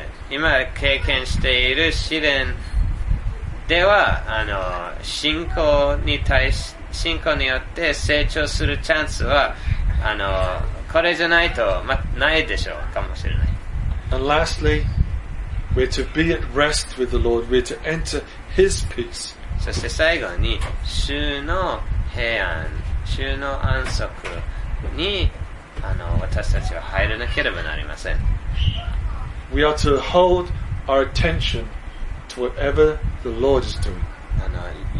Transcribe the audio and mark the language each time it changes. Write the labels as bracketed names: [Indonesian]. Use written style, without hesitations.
[Japanese] 今経験している試練では信仰によって成長するチャンスはこれじゃないと、ないでしょうかもしれない。 [English] And lastly, we're to be at rest with the Lord. We're to enter His peace. [Japanese] そして最後に、主の平安、主の安息に私たちは入らなければなりません。 [English] We are to hold our attention to whatever the Lord is doing.